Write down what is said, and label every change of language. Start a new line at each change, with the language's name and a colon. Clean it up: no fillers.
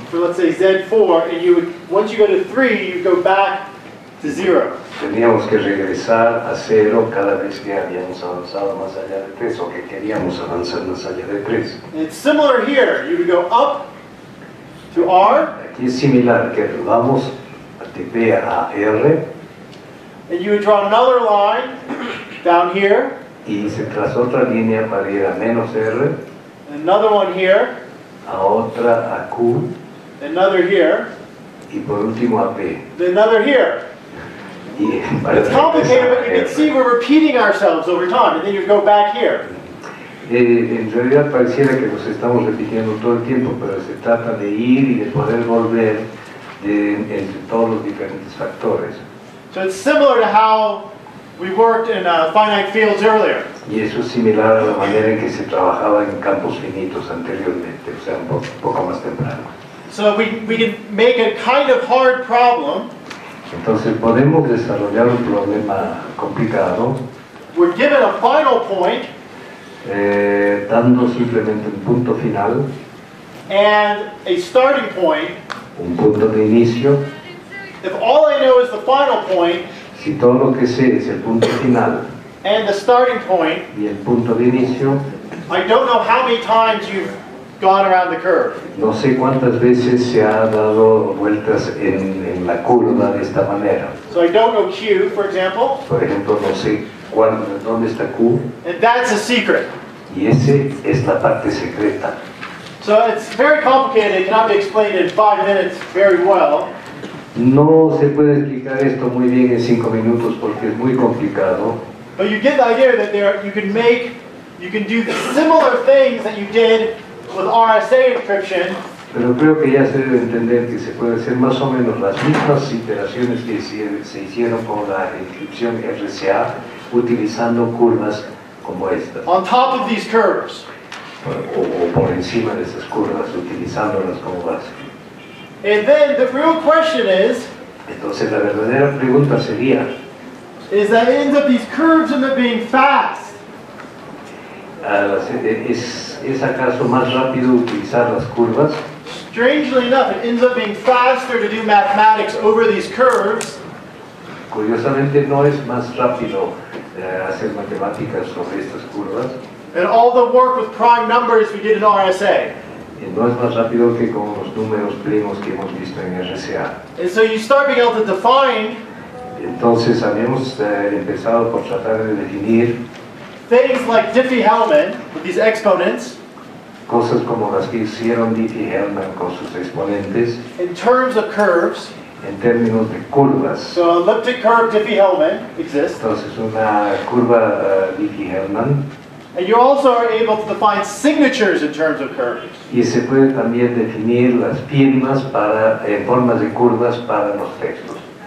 English: So let's say Z4, and you would, once you go to 3, you go back to 0.
Spanish: Teníamos que regresar a 0 cada vez que habíamos avanzado más allá de 3, o que queríamos avanzar más allá de 3.
English: It's similar here. You would go up to R.
Spanish: Aquí es similar, que vamos de P a R.
English: And you would draw another line down here.
Spanish: Y se traza otra línea para ir a menos R.
English: Another one here.
Spanish: A otra a Q.
English: Another here.
Spanish: Y por último a P.
English: Another here.
Spanish: Y para
English: it's complicated, but you can see we're repeating ourselves over time. And then you go back here.
Spanish: En realidad pareciera que nos estamos repitiendo todo el tiempo, pero se trata de ir y de poder volver entre todos los diferentes factores.
English: So it's similar to how we worked in finite fields earlier.
Spanish: Y eso es similar a la manera en que se trabajaba en campos finitos anteriormente, o sea, un poco más temprano.
English: So we can make a kind of hard problem.
Spanish: Entonces podemos desarrollar un problema complicado.
English: We're given a final point.
Spanish: Dando simplemente un punto final.
English: And a starting point.
Spanish: Un punto de inicio.
English: If all I know is the final point,
Spanish: si todo lo que sé es el punto final,
English: and the starting point,
Spanish: y el punto de inicio,
English: I don't know how many times you've gone around the curve.
Spanish: No sé cuántas veces se ha dado vueltas en la curva de esta manera.
English: So I don't know Q, for example.
Spanish: Por ejemplo, no sé dónde está Q.
English: And that's a secret.
Spanish: Y ese es la parte secreta.
English: So it's very complicated. It cannot be explained in 5 minutes very well.
Spanish: No se puede explicar esto muy bien en 5 minutos porque es muy complicado.
English: But you get the idea that there you can do similar things that you did with RSA encryption.
Spanish: Pero creo que ya se debe entender que se puede hacer más o menos las mismas iteraciones que se hicieron con la encripción RSA utilizando curvas como estas.
English: On top of these curves.
Spanish: O por encima de esas curvas utilizándolas como base.
English: And then the real question is,
Spanish: entonces la verdadera pregunta sería,
English: is that ends up these curves end up being fast?
Spanish: ¿Es acaso más rápido utilizar las curvas?
English: Strangely enough, it ends up being faster to do mathematics over these curves.
Spanish: Curiosamente, no es más rápido hacer matemáticas sobre estas curvas.
English: And all the work with prime numbers we did in RSA.
Spanish: No es más rápido que con los números primos que hemos visto en RSA.
English: And so you start being able to define.
Spanish: Entonces habíamos empezado por tratar de definir
English: things like Diffie-Hellman with these exponents.
Spanish: cosas como las que hicieron Dieter Hellman con sus exponentes.
English: In terms of curves.
Spanish: En términos de curvas.
English: So elliptic curve Diffie-Hellman exists.
Spanish: Entonces una curva Diffie-Hellman.
English: And you also are able to define signatures in terms of curves.
Spanish: Y se puede también definir las firmas para formas de curvas para los textos.